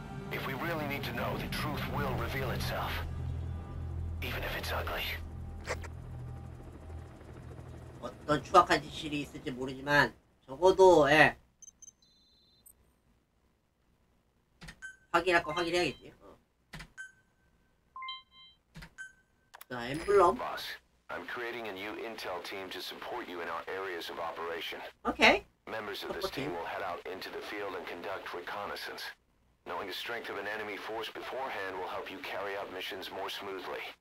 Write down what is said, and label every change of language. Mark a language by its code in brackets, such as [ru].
[en] If we really need to know, the truth will reveal itself, even if it's ugly. [ko] 어떤 추악한 진실이 있을지 모르지만 적어도 예. 확인할 거 확인해야겠지. 어. 자, 엠블럼. [en] Boss, I'm creating a new intel team to support you in our areas of operation. Okay. Members of this team will head out into the field and conduct reconnaissance. Knowing the strength of an enemy force beforehand will help you carry out missions more smoothly.